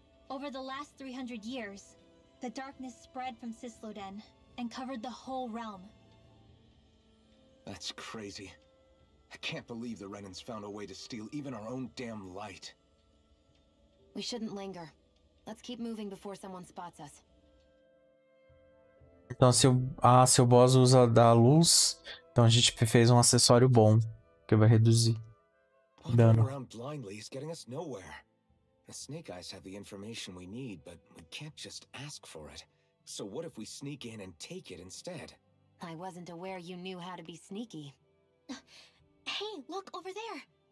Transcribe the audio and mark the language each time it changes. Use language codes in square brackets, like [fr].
[en] Over the last 300 years, the darkness spread from Cisloden and covered the whole realm. That's crazy. I can't believe the Renans found a way to steal even our own damn light. We shouldn't linger. Let's keep moving before someone spots us. [pt] Então, seu boss usa da luz, então a gente fez um acessório bom que vai reduzir dano. [en] Walking around blindly is getting us nowhere. The Snake Eyes have the information we need, but we can't just ask for it. So what if we sneak in and take it instead? I wasn't aware you knew how to be sneaky. Hey, look over there!